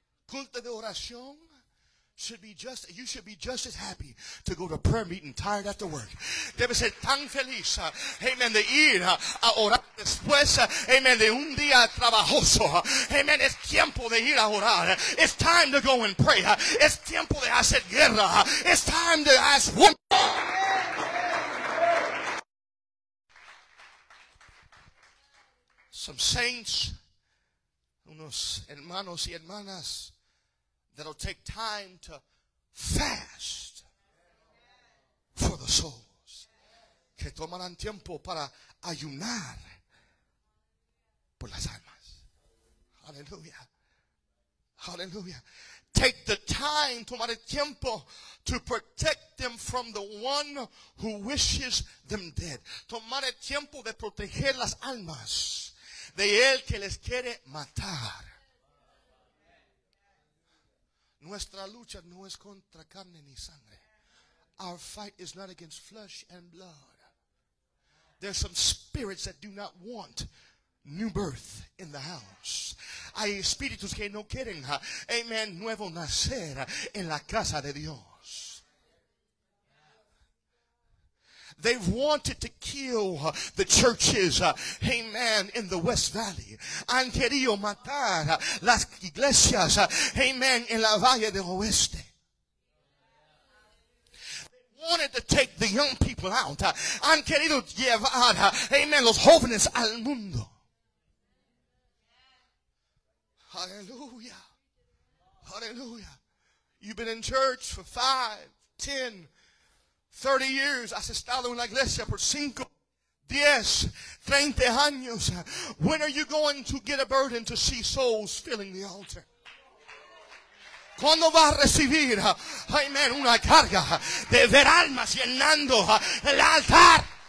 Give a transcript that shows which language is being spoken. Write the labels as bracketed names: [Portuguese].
[Spanish] Culto de oración [English] should be just, you should be just as happy to go to prayer meeting tired after work. [Spanish] Debe ser tan feliz, amen, de ir a orar después, amen, de un día trabajoso. Amen, es tiempo de ir a orar. [English] It's time to go and pray. [Spanish] Es tiempo de hacer guerra. [English] It's time to ask one. Some saints, [Spanish] unos hermanos y hermanas, [English] that'll take time to fast for the souls. [Spanish] Que tomarán tiempo para ayunar por las almas. [English] Hallelujah. Hallelujah. Take the time, [Spanish] tomar el tiempo, [English] to protect them from the one who wishes them dead. [Spanish] Tomar el tiempo de proteger las almas de el que les quiere matar. Nuestra lucha no es contra carne ni sangre. [English] Our fight is not against flesh and blood. There's some spirits that do not want new birth in the house. [Spanish] Hay espíritus que no quieren, amen, nuevo nacer en la casa de Dios. [English] They've wanted to kill the churches, amen, in the West Valley. [Spanish] Han querido matar las iglesias, amen, en la Valle del Oeste. [English] Wanted to take the young people out. [Spanish] Han querido llevar, amen, los jóvenes al mundo. [English] Hallelujah. Hallelujah. You've been in church for 5, 10, 30 years, [Spanish] has estado en la iglesia por 5, 10, 30 años. [English] When are you going to get a burden to see souls filling the altar? [Spanish] ¿Cuándo va a recibir, amen, una carga de ver almas llenando el altar?